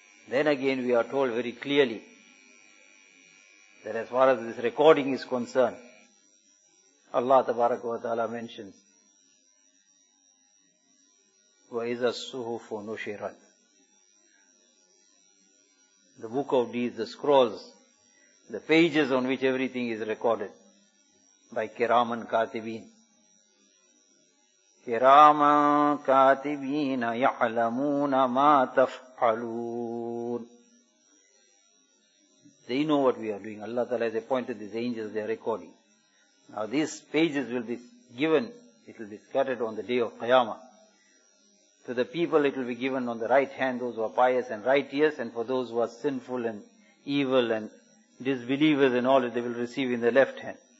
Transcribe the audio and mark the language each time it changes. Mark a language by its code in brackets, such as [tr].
[en] Then again we are told very clearly that as far as this recording is concerned, Allah tabarak wa ta'ala mentions, [ar] وَإِذَا الصُّحُفُ نُشِرَتْ. [en] The book of deeds, the scrolls, the pages on which everything is recorded by Kiraman Katibin. [ar] كراما كاتبين يعلمون ما تفعلون. [en] They know what we are doing. Allah Ta'ala has appointed these angels, they are recording. Now these pages will be given, it will be scattered on the day of Qiyamah. To the people it will be given on the right hand, those who are pious and righteous, and for those who are sinful and evil and disbelievers and all, they will receive in the left hand.